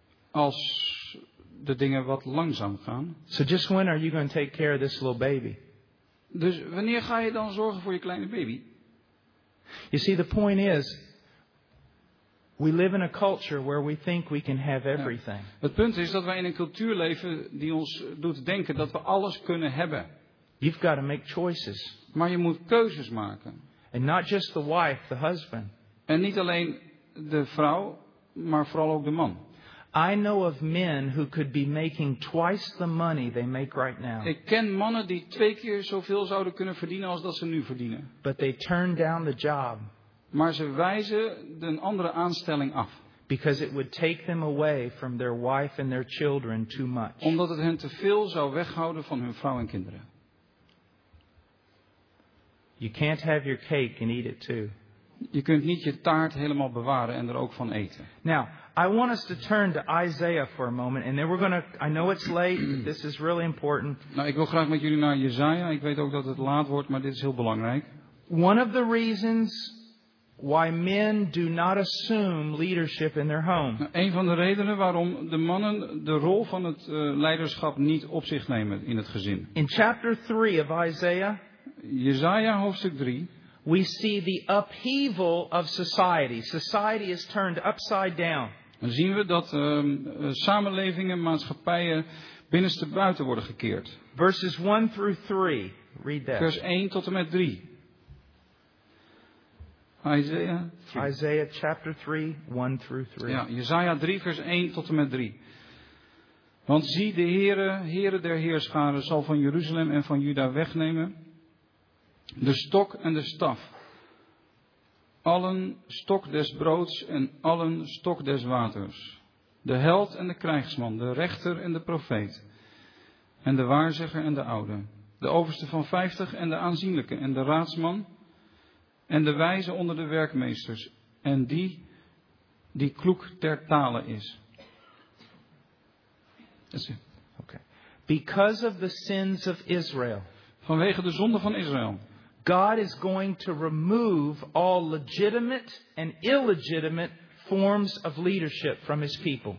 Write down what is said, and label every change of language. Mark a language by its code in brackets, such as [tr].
[nl] Als de dingen wat langzaam gaan. [en] So just when are you going to take care of this little baby? [nl] Dus wanneer ga je dan zorgen voor je kleine baby? [en] You see, the point is, we live in a culture where we think we can have everything. [nl] Ja, het punt is dat wij in een cultuur leven die ons doet denken dat we alles kunnen hebben. [en] You've got to make choices. [nl] Maar je moet keuzes maken. [en] And not just the wife, the husband. [nl] En niet alleen de vrouw, maar vooral ook de man. [en] I know of men who could be making twice the money they make right now. [nl] Ik ken mannen die twee keer zoveel zouden kunnen verdienen als dat ze nu verdienen. [en] But they turn down the job. [nl] Maar ze wijzen een andere aanstelling af. [en] Because it would take them away from their wife and their children too much. [nl] Omdat het hen te veel zou weghouden van hun vrouw en kinderen. [en] You can't have your cake and eat it too. [nl] Je kunt niet je taart helemaal bewaren en er ook van eten. [en] Now, I want us to turn to Isaiah for a moment, and then we're going to. I know it's late, but this is really important. [nl] Nou, ik wil graag met jullie naar Jesaja. Ik weet ook dat het laat wordt, maar dit is heel belangrijk. [en] One of the reasons why men do not assume leadership in their home. [nl] Nou, een van de redenen waarom de mannen de rol van het leiderschap niet op zich nemen in het gezin. [en] In chapter 3 of Isaiah. [nl] Jesaja hoofdstuk 3. [en] We see the upheaval of society. Society is turned upside down. [nl] Dan zien we dat samenlevingen, maatschappijen binnenste buiten worden gekeerd. [en] Verses 1 through 3. Read that. [nl] Vers 1 tot en met 3. [en] Isaiah 3. Isaiah chapter 3, 1 through 3. [nl] Ja, Jesaja 3 vers 1 tot en met 3. Want zie, de Heere, Heere der heerscharen zal van Jeruzalem en van Juda wegnemen de stok en de staf, allen stok des broods en allen stok des waters, de held en de krijgsman, de rechter en de profeet, en de waarzegger en de oude, de overste van 50 en de aanzienlijke en de raadsman, en de wijze onder de werkmeesters, en die die kloek ter tale is. [en] Okay. Because of the sins of Israel. [nl] Vanwege de zonde van Israël. [en] God is going to remove all legitimate and illegitimate forms of leadership from his people.